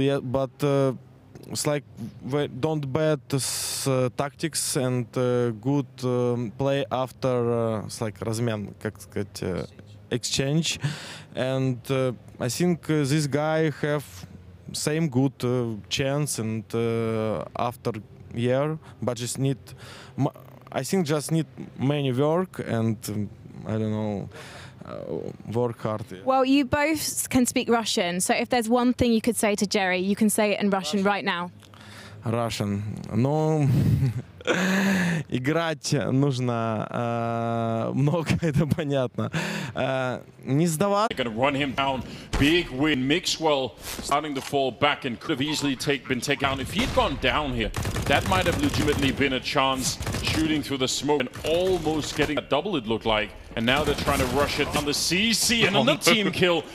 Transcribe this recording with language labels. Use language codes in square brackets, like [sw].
[en] Yeah, but it's like we don't bad tactics and good play after it's like [ru] размен, как сказать, [en] exchange, and I think this guy have same good chance, and after year, but just need I think just need many work, and I don't know, work hard. Well, you both can speak Russian, so if there's one thing you could say to Jerry, you can say it in Russian right now. Russian. [ru] Но играть нужно много, это понятно. Не сдаваться. [en] Gonna run him down. Big win. Mixwell starting to fall back and could have easily been taken down. If he'd gone down here, that might have legitimately been a chance, shooting through the smoke and almost getting a double, it looked like. And now they're trying to rush it on the CC and on the team kill.